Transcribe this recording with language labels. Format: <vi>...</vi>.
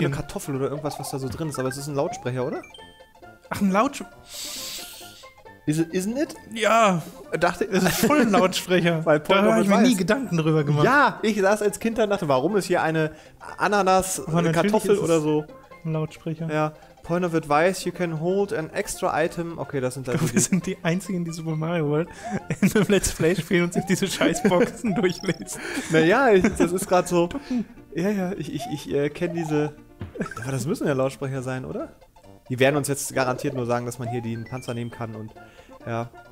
<de>eine Kartoffel oder irgendwas, was da so drin ist. Aber es ist ein Lautsprecher, oder? Ach, ein Lautsprecher.</de> <en>Isn't it?</en> <de>Ja. Dachte, es ist voll ein Lautsprecher. Weil da habe ich mir nie Gedanken drüber gemacht. Ja, ich saß als Kind da und dachte, warum ist hier eine Ananas, eine Kartoffel oder so? Ein Lautsprecher. Ja.</de> <en>Point of advice, you can hold an extra item.</en> <de>Okay, das sind da wir sind die Einzigen, die Super Mario World in einem Let's Play spielen und sich diese Scheißboxen durchlesen. Naja, das ist gerade so. Ja, ich kenne diese. Aber das müssen ja Lautsprecher sein, oder? Die werden uns jetzt garantiert nur sagen, dass man hier den Panzer nehmen kann und. Ja.</de>